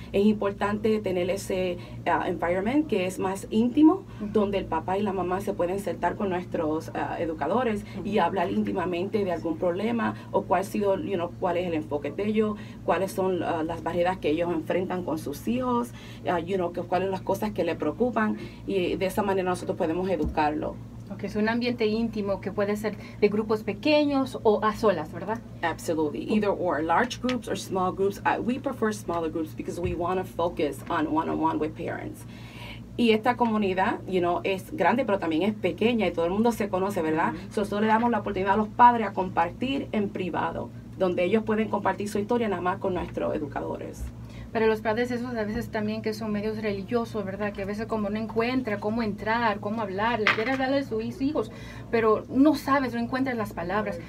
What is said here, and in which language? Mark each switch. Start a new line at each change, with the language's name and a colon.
Spanish: Es importante tener ese environment que es más íntimo, donde el papá y la mamá se pueden sentar con nuestros educadores y hablar íntimamente de algún problema o cuál ha sido,
English: you know,
Spanish: cuál es el enfoque de ellos, cuáles son las barreras que ellos enfrentan con sus hijos,
English: you know,
Spanish: cuáles son las cosas que les preocupan, y de esa manera nosotros podemos educarlo. Okay, es un ambiente íntimo que puede ser de grupos pequeños o a solas, ¿verdad?
English: Absolutely. Either or, large groups or small groups. We prefer smaller groups because we want to focus on one-on-one with parents.
Spanish: Y esta comunidad,
English: you know,
Spanish: es grande, pero también es pequeña y todo el mundo se conoce, ¿verdad? Mm-hmm. So, solo le damos la oportunidad a los padres a compartir en privado, donde ellos pueden compartir su historia nada más con nuestros educadores. Para los padres esos a veces también que son medios religiosos, ¿verdad? Que a veces como no encuentra cómo entrar, cómo hablar, le quiere hablar de sus hijos, pero no sabes, no encuentras las palabras.